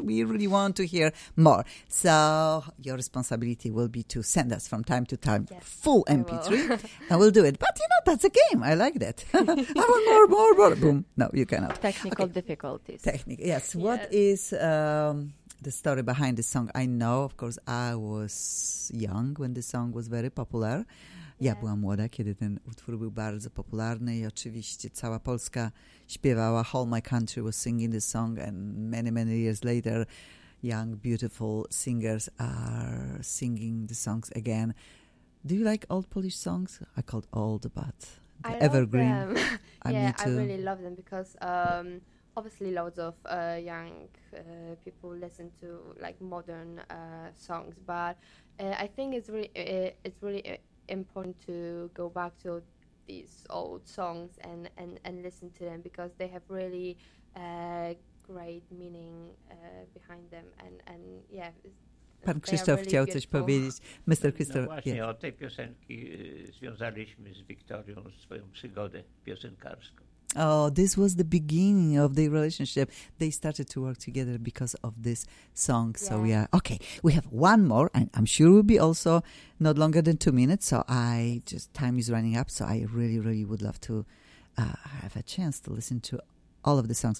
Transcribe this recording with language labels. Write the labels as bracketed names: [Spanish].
[English] We really want to hear more. So your responsibility will be to send us from time to time full MP3. And we'll do it. But you know, that's a game. I like that. I want more, more, more. Boom. No, you cannot. Technical difficulties. Technical, yes. What is... the story behind the song. I know, of course, I was young when the song was very popular. [Polish] Ja byłam młoda, kiedy ten utwór był bardzo popularny i oczywiście cała Polska śpiewała, [English] all my country was singing the song, and many, many years later, young, beautiful singers are singing the songs again. Do you like old Polish songs? I called old, but the I evergreen. Love them. I really love them because... obviously, loads of young people listen to like modern songs, but I think it's really important to go back to these old songs and listen to them because they have really great meaning behind them and yeah. [Polish] Pan Krzysztof chciał coś powiedzieć. [English] Mr. Krzysztof. [Polish] No właśnie, od tej piosenki związaliśmy z Wiktorią swoją przygodę piosenkarską. [English] Oh, this was the beginning of the relationship. They started to work together because of this song. Yeah. So we are okay. We have one more, and I'm sure we'll be also not longer than 2 minutes. So I just time is running up. So I really, really would love to have a chance to listen to all of the songs.